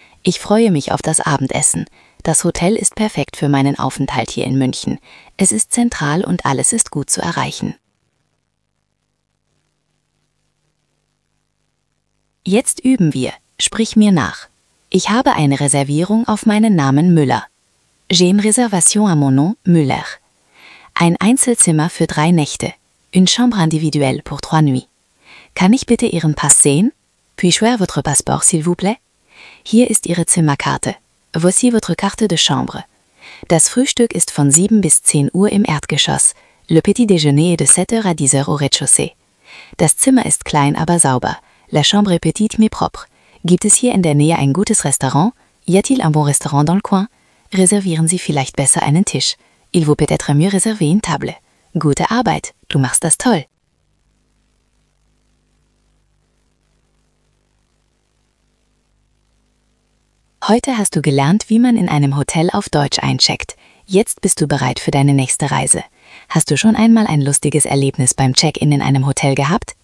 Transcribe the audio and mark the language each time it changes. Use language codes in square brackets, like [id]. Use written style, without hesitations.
[de] Ich freue mich auf das Abendessen. Das Hotel ist perfekt für meinen Aufenthalt hier in München. Es ist zentral und alles ist gut zu erreichen. Jetzt üben wir. Sprich mir nach. Ich habe eine Reservierung auf meinen Namen Müller. [fr] J'ai une réservation à mon nom, Müller. [de] Ein Einzelzimmer für 3 Nächte. [fr] Une chambre individuelle pour 3 nuits. [de] Kann ich bitte Ihren Pass sehen? [fr] Puis-je voir votre passeport, s'il vous plaît? [de] Hier ist Ihre Zimmerkarte. [fr] Voici votre carte de chambre. [de] Das Frühstück ist von 7 bis 10 Uhr im Erdgeschoss. [fr] Le petit déjeuner est de 7h à 10h au rez-de-chaussée. [de] Das Zimmer ist klein, aber sauber. [fr] La chambre est petite mais propre. [de] Gibt es hier in der Nähe ein gutes Restaurant? [fr] Y a-t-il un bon restaurant dans le coin? [de] Reservieren Sie vielleicht besser einen Tisch. [fr] Il vaut peut-être mieux réserver une table. [de] Gute Arbeit, du machst das toll. Heute hast du gelernt, wie man in einem Hotel auf Deutsch eincheckt. Jetzt bist du bereit für deine nächste Reise. Hast du schon einmal ein lustiges Erlebnis beim Check-in in einem Hotel gehabt?